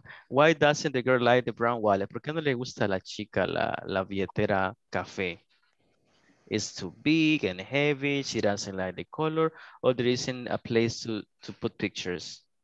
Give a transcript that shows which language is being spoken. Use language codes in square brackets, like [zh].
[en] Why doesn't the girl like the brown wallet? [es] ¿Por qué no le gusta a la chica la billetera café? [en] It's too big and heavy. She doesn't like the color. Or there isn't a place to put pictures.